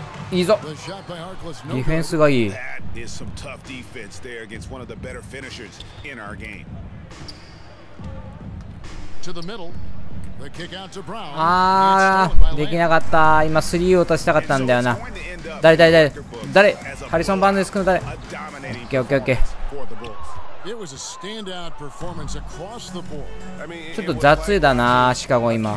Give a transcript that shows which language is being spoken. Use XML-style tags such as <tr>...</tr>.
<ja>いいぞ、ディフェンスがいい。</ja> <en>That is some tough defense there against one of the better finishers in our game. To the middle, the kick out to Brown.</en> <ja>ああ、できなかった。今スリーを出したかったんだよな。誰誰誰誰、ハリソン・バーンズ君の誰。オッケーオッケーオッケー。</ja> <en>It was a standout performance across the board.</en> <ja>ちょっと雑だな、シカゴ今。</ja>